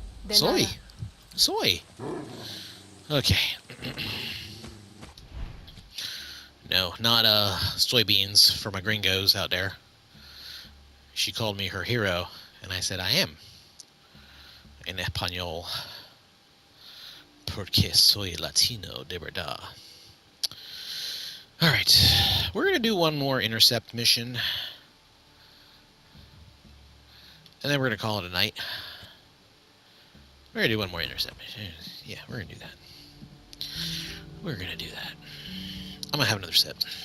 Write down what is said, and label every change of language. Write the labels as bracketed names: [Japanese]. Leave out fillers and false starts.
[Spanish] Soy. Soy. Okay. [English] No, not soybeans for my gringos out there. She called me her hero, and I said, I am. In Espanol. [Spanish] Porque soy Latino de verdad. [English] Alright, we're going to do one more intercept mission. And then we're going to call it a night. We're going to do one more intercept mission. Yeah, we're going to do that. We're going to do that. I'm going to have another sip.